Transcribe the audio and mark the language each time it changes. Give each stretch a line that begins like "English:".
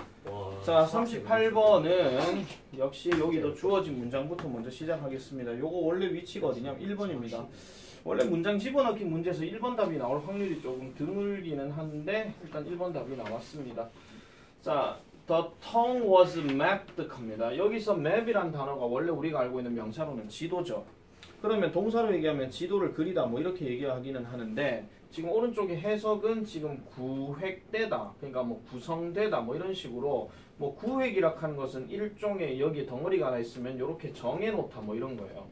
Korean: 와, 자, 38번은 역시 여기도 주어진 문장부터 먼저 시작하겠습니다. 요거 원래 위치가 어디냐면 1번입니다. 원래 문장 집어넣기 문제에서 1번 답이 나올 확률이 조금 드물기는 한데 일단 1번 답이 나왔습니다. 자,
English: The tongue was mapped
Korean: 합니다. 여기서 map이란 단어가 원래 우리가 알고 있는 명사로는 지도죠. 그러면 동사로 얘기하면 지도를 그리다 뭐 이렇게 얘기하기는 하는데 지금 오른쪽의 해석은 지금 구획되다 그러니까 뭐 구성되다 뭐 이런 식으로 뭐 구획이라 하는 것은 일종의 여기 덩어리가 하나 있으면 이렇게 정해놓다 뭐 이런 거예요.